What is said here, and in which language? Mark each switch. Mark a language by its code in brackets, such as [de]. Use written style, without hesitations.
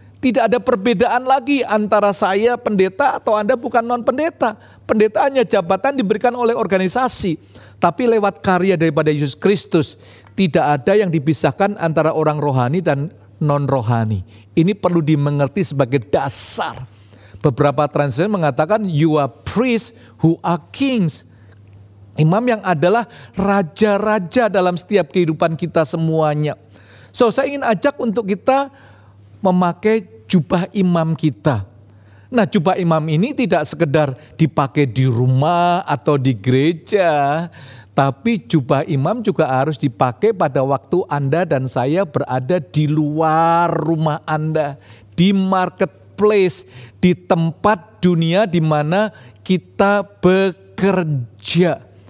[id] Tidak ada perbedaan lagi antara saya pendeta atau Anda bukan non-pendeta. Pendeta hanya jabatan diberikan oleh organisasi. Tapi lewat karya daripada Yesus Kristus, tidak ada yang dipisahkan antara orang rohani dan non-rohani. Ini perlu dimengerti sebagai dasar. Beberapa translator mengatakan, [en] you are priests who are kings. [id] Imam yang adalah raja-raja dalam setiap kehidupan kita semuanya. So, saya ingin ajak untuk kita memakai jubah imam kita. Nah, jubah imam ini tidak sekedar dipakai di rumah atau di gereja, tapi jubah imam juga harus dipakai pada waktu Anda dan saya berada di luar rumah Anda, di marketplace, di tempat dunia di mana kita bekerja.